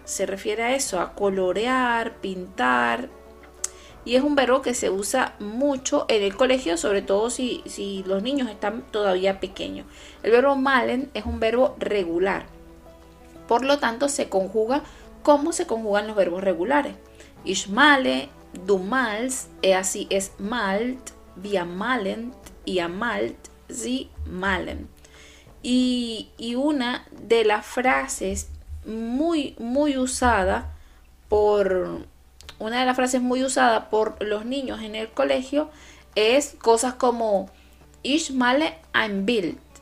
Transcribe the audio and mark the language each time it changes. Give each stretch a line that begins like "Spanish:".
Spanish: Se refiere a eso, a colorear, pintar. Y es un verbo que se usa mucho en el colegio, sobre todo si los niños están todavía pequeños. El verbo malen es un verbo regular. Por lo tanto, se conjuga como se conjugan los verbos regulares.
German: Ich male, du malst, e así es malt, wir malen, ihr malt, sie malen.
Spanish: Y una de las frases muy, muy usada por. Una de las frases muy usadas por los niños en el colegio es cosas como
German: Ich male ein Bild.